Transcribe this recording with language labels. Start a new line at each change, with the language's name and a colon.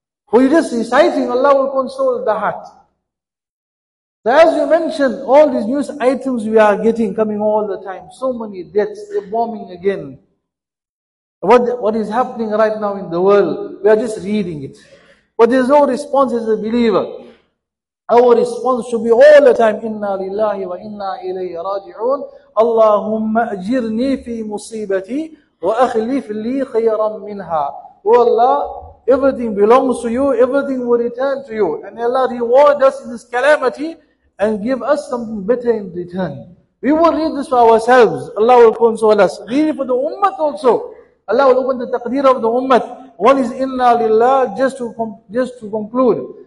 English: For you just reciting, Allah will console the heart. So as you mentioned, all these news items we are getting coming all the time. So many deaths, they're bombing again. What is happening right now in the world, we are just reading it. But there's no response as a believer. Our response should be all the time,
Arabic: إِنَّا لِلَّهِ وَإِنَّا إِلَيْهِ رَاجِعُونَ اللَّهُمَّ أَجِرْنِي فِي مُصِيبَتِي وَأَخْلِفْ لِي خَيْرًا مِنْهَا.
English: Oh Allah, everything belongs to you, everything will return to you. And may Allah reward us in this calamity and give us something better in return. We will read this for ourselves. Allah will console us. Read it for the ummah also. Allah will open the taqdeer of the ummah. One is inna lillah, just to conclude.